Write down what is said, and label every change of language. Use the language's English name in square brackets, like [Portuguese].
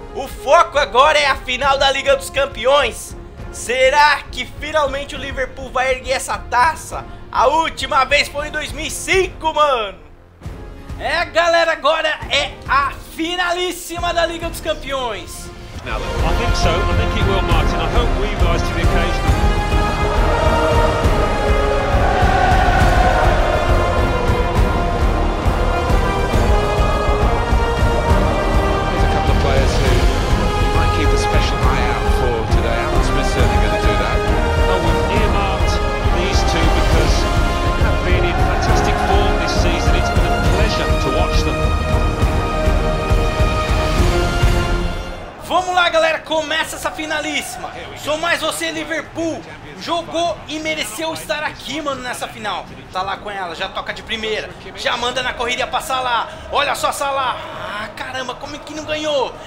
[Portuguese] O foco agora é a final da Liga dos Campeões. Será que finalmente o Liverpool vai erguer essa taça? A última vez foi em 2005, mano. É, galera, agora é a finalíssima da Liga dos Campeões. [English] Now, I think so. I think it will, Martin. I hope we rise to the occasion. There's a couple of players who might keep a special eye out for today. Alan Smith's certainly going to do that. Well, we've earmarked these two because they have been in fantastic form this season. It's been a pleasure to watch them. [Portuguese] Vamos lá, galera, começa essa finalíssima. Sou mais você, Liverpool. Jogou e mereceu estar aqui, mano, nessa final. Tá lá com ela, já toca de primeira. Já manda na corrida pra Salah. Olha só Salah. Ah, caramba, como é que não ganhou?